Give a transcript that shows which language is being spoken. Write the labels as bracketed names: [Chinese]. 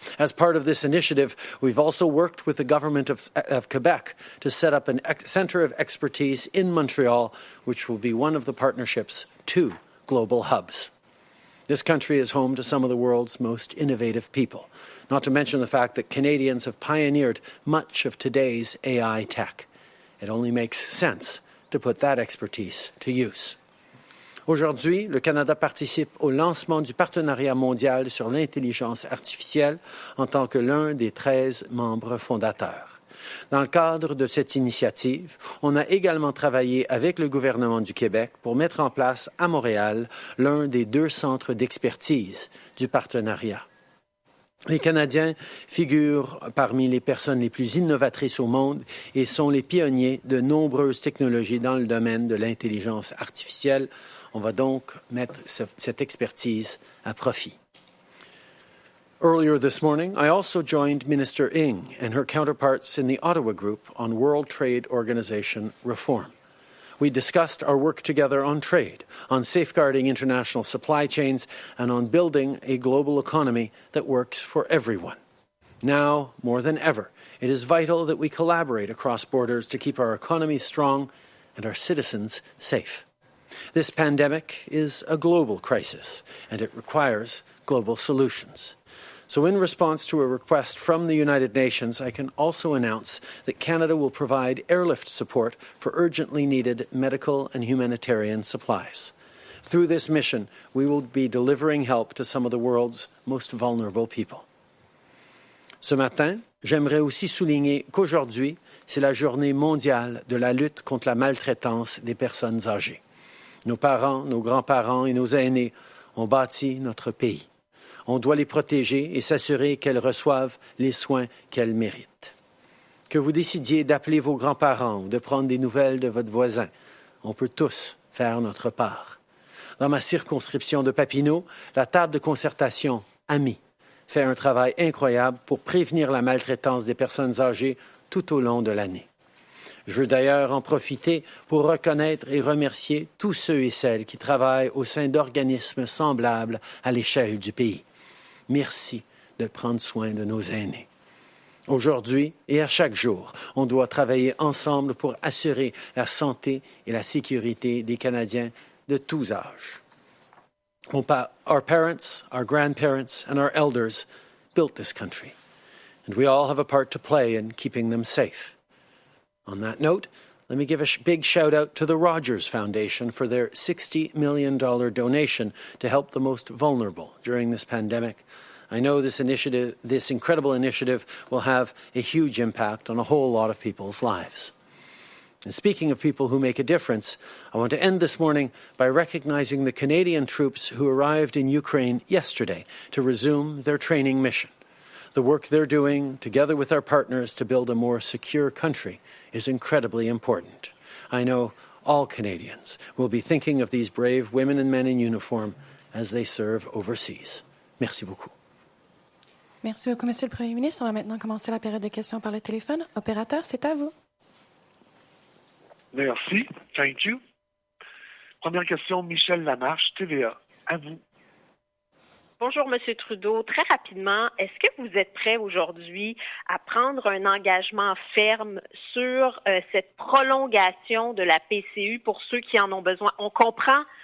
[English] As part of this initiative, we've also worked with the government of Quebec to set up a center of expertise in Montreal, which will be one of the partnership's two global hubs. This country is home to some of the world's most innovative people, not to mention the fact that Canadians have pioneered much of today's AI tech. It only makes sense to put that expertise to use. [French] Aujourd'hui, le Canada participe au lancement du partenariat mondial sur l'intelligence artificielle en tant que l'un des 13 membres fondateurs. Dans le cadre de cette initiative, on a également travaillé avec le gouvernement du Québec pour mettre en place à Montréal l'un des deux centres d'expertise du partenariat. Les Canadiens figurent parmi les personnes les plus innovatrices au monde et sont les pionniers de nombreuses technologies dans le domaine de l'intelligence artificielle. On va donc mettre cette expertise à profit. [English] Earlier this morning, I also joined Minister Ng and her counterparts in the Ottawa Group on World Trade Organization reform. We discussed our work together on trade, on safeguarding international supply chains, and on building a global economy that works for everyone. Now, more than ever, it is vital that we collaborate across borders to keep our economy strong and our citizens safe. This pandemic is a global crisis, and it requires global solutions. So in response to a request from the United Nations, I can also announce that Canada will provide airlift support for urgently needed medical and humanitarian supplies. Through this mission, we will be delivering help to some of the world's most vulnerable people. [French] Ce matin, j'aimerais aussi souligner qu'aujourd'hui, c'est la journée mondiale de la lutte contre la maltraitance des personnes âgées. Nos parents, nos grands-parents et nos aînés ont bâti notre pays. On doit les protéger et s'assurer qu'elles reçoivent les soins qu'elles méritent. Que vous décidiez d'appeler vos grands-parents ou de prendre des nouvelles de votre voisin, on peut tous faire notre part. Dans ma circonscription de Papineau, la table de concertation AMI fait un travail incroyable pour prévenir la maltraitance des personnes âgées tout au long de l'année. Je veux d'ailleurs en profiter pour reconnaître et remercier tous ceux et celles qui travaillent au sein d'organismes semblables à l'échelle du pays. Merci de prendre soin de nos aînés. Aujourd'hui et à chaque jour, on doit travailler ensemble pour assurer la santé et la sécurité des Canadiens de tous âges. [English] Our parents, our grandparents, and our elders built this country. And we all have a part to play in keeping them safe. On that note, let me give a big shout-out to the Rogers Foundation for their $60 million donation to help the most vulnerable during this pandemic. I know this incredible initiative will have a huge impact on a whole lot of people's lives. And speaking of people who make a difference, I want to end this morning by recognizing the Canadian troops who arrived in Ukraine yesterday to resume their training mission. The work they're doing, together with our partners, to build a more secure country is incredibly important. I know all Canadians will be thinking of these brave women and men in uniform as they serve overseas. [French] Merci beaucoup. Merci beaucoup, Monsieur le Premier ministre. On va maintenant commencer la période de questions par le téléphone. Opérateur, c'est à vous. Merci. [English] Thank you. [French] Première question, Michel Lamarche, TVA. À vous. Bonjour, M. Trudeau. Très rapidement, est-ce que vous êtes prêt aujourd'hui à prendre un engagement ferme sur cette prolongation de la PCU pour ceux qui en ont besoin? On comprend